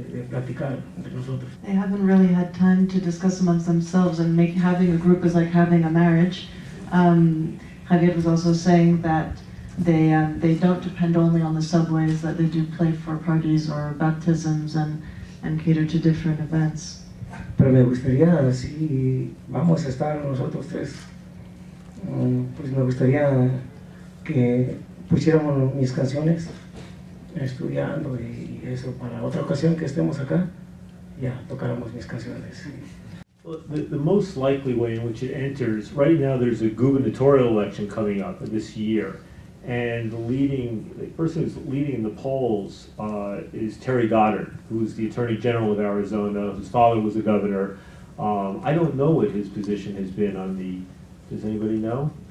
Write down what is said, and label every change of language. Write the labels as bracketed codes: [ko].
[en] They haven't really had time to discuss amongst themselves, and having a group is like having a marriage. Javier was also saying that they don't depend only on the subways, that they do play for parties or baptisms and cater to different events. [es] Pero me gustaría, si vamos a estar nosotros tres, pues me gustaría que pusiéramos mis canciones estudiando y eso, para otra ocasión que estemos acá, ya tocáramos mis canciones. [en] The most likely way in which it enters, right now there's a gubernatorial election coming up this year, and the person who's leading in the polls is Terry Goddard, who's the Attorney General of Arizona, whose father was a governor. I don't know what his position has been on the, does anybody know?